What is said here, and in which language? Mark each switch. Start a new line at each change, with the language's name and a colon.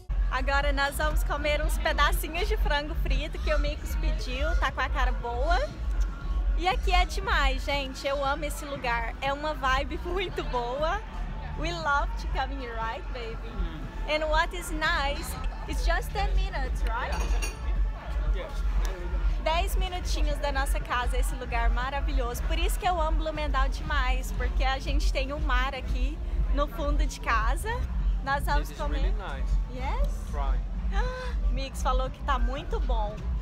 Portuguese: Agora nós vamos comer uns pedacinhos de frango frito que o Mikos pediu, tá com a cara boa. E aqui é demais, gente, eu amo esse lugar, é uma vibe muito boa.
English: We love to come here, right, baby? And what is nice, it's just 10 minutes, right?
Portuguese: 10 minutinhos da nossa casa, esse lugar maravilhoso. Por isso que eu amo Bloemendaal demais, porque a gente tem o mar aqui no fundo de casa. Nós vamos comer.
English: Really nice. Yes?
Portuguese: Mix falou que tá muito bom.